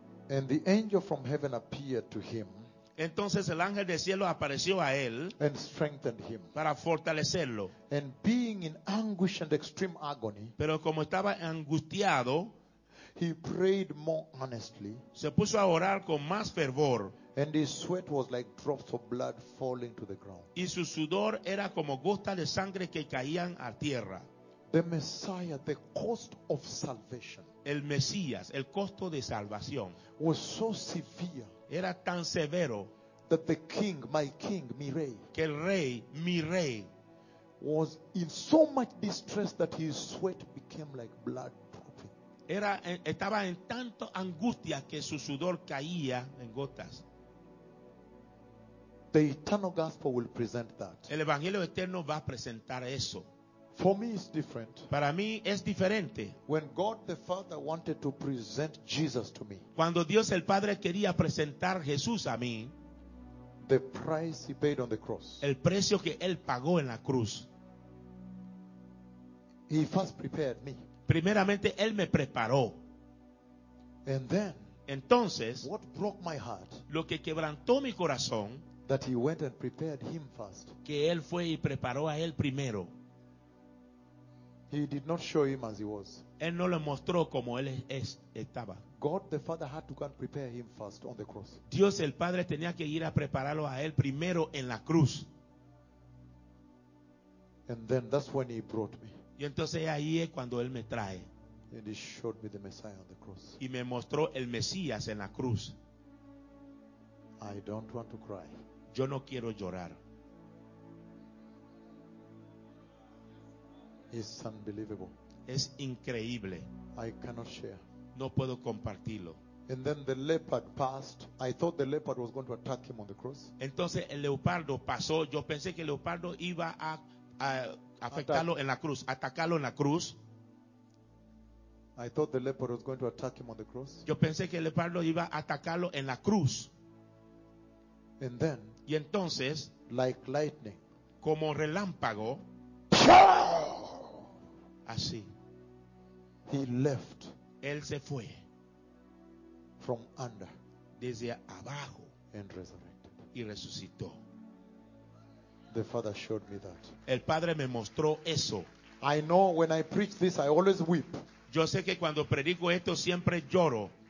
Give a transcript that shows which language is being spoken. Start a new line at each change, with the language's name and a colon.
English: And the angel from heaven appeared to him.
Spanish: Entonces el ángel del cielo apareció a él.
English: And strengthened him.
Spanish: Para fortalecerlo.
English: And being in anguish and extreme agony.
Spanish: Pero como estaba angustiado.
English: He prayed more honestly.
Spanish: Se puso a orar con más fervor.
English: And his sweat was like drops of blood falling to the ground.
Spanish: Y su sudor era como gotas de sangre que caían a tierra.
English: The Messiah, the cost of salvation.
Spanish: El Mesías, el costo de salvación.
English: Was so severe.
Spanish: Era tan severo.
English: That the king, my king,
Spanish: mi rey. Que el rey, mi rey.
English: Was in so much distress that his sweat became like blood.
Spanish: Estaba en tanto angustia que su sudor caía en gotas.
English: The eternal gospel will present that.
Spanish: El evangelio eterno va a presentar eso.
English: For me it's different.
Spanish: Para mí es diferente.
English: When God the Father wanted to present Jesus to me.
Spanish: Cuando Dios el Padre quería presentar Jesús a mí.
English: The price he paid on the cross.
Spanish: El precio que él pagó en la cruz.
English: He first prepared me.
Spanish: Primeramente, Él me preparó.
English: And then,
Spanish: entonces,
English: what broke my heart,
Spanish: lo que quebrantó mi corazón,
English: that he went and prepared him first.
Spanish: Que Él fue y preparó a Él primero.
English: He did not show him as he was.
Spanish: Él no lo mostró como Él estaba.
English: God the Father had to go and prepare him first on the cross.
Spanish: Dios el Padre tenía que ir a prepararlo a Él primero en la cruz.
English: And then, that's when he brought me.
Spanish: Y entonces ahí es cuando Él me trae.
English: And he showed me the Messiah on the cross.
Spanish: Y me mostró el Mesías en la cruz.
English: I don't want to cry.
Spanish: Yo no quiero llorar.
English: It's unbelievable.
Spanish: Es increíble.
English: I cannot share.
Spanish: No puedo compartirlo.
English: And then the leopard passed. I thought the leopard was going to attack him on the cross.
Spanish: Entonces el leopardo pasó. Yo pensé que el leopardo iba a afectarlo en la cruz, atacarlo en la cruz.
English: I thought the leopard was going to attack him on the cross.
Spanish: Yo pensé que el leopardo iba a atacarlo en la cruz.
English: And then,
Spanish: y entonces,
English: like lightning,
Spanish: como relámpago, así,
English: he left.
Spanish: Él se fue.
English: From under,
Spanish: desde abajo,
English: and resurrected.
Spanish: Y resucitó.
English: The Father showed me that.
Spanish: El Padre me mostró eso.
English: I know when I preach this, I always weep.
Spanish: Yo sé que cuando predico esto siempre lloro.